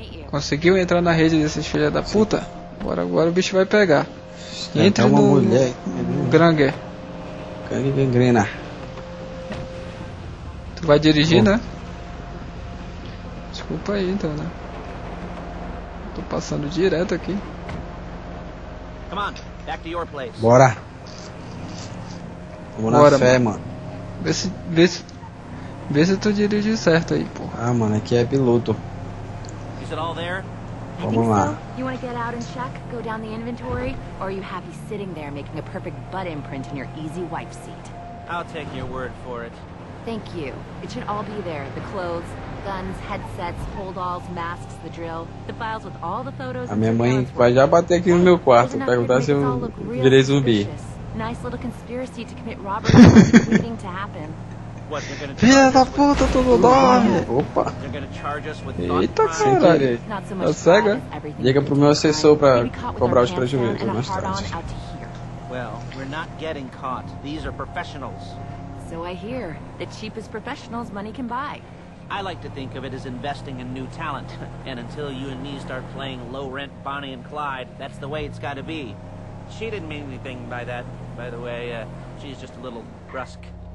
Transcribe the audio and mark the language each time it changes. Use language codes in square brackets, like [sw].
[pt] Conseguiu entrar na rede desses filha da puta? Bora, agora o bicho vai pegar. Entra uma no... mulher. Granger. Cane gangrena. Tu vai dirigir, né? Desculpa aí, então, né? Tô passando direto aqui. [en] Come on, back to your place. [pt] Bora. Vamos na fé, mano. Vê se tu dirige certo aí, pô. Ah, mano, aqui é piloto. Vamos lá. [en] You want to get out and check, go down the inventory, or are you happy sitting there making a perfect butt imprint in your easy wife seat? I'll take your word for it. Thank you. It should all be there. The clothes, guns, headsets, holdalls, masks, the drill, the files with all the photos. [pt] A minha mãe vai já bater aqui no meu quarto, perguntar se eu virei zumbi. [en] Nice little conspiracy to commit robbery waiting to happen. [pt] Filha da puta, tudo dorme! Opa! Eita, caralho! Tá cega? Liga pro meu assessor pra cobrar os prejuízos mais tarde. [en] Well, we're not getting caught. These are professionals. So I hear. The cheapest professionals money can buy. I like to think of it as investing in new talent. And until you and me start playing low rent Bonnie and Clyde, that's the way it's gotta be. She didn't mean anything by that, by the way. She's just a little brusque.